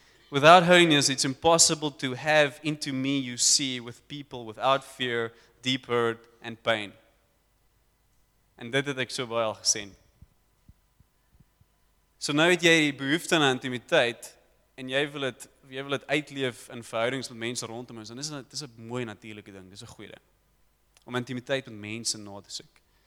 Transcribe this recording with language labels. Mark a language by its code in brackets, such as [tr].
[en] Without holiness, it's impossible to have into me you see with people without fear, deep hurt and pain. [af] En dit het ek so baie al gesien. So nou het jy die behoefte aan intimiteit, en jy wil het uitleef in verhoudings met mense rondom ons, en dis is een mooi natuurlijke ding, dis een goeie ding, om intimiteit met mense na te soek.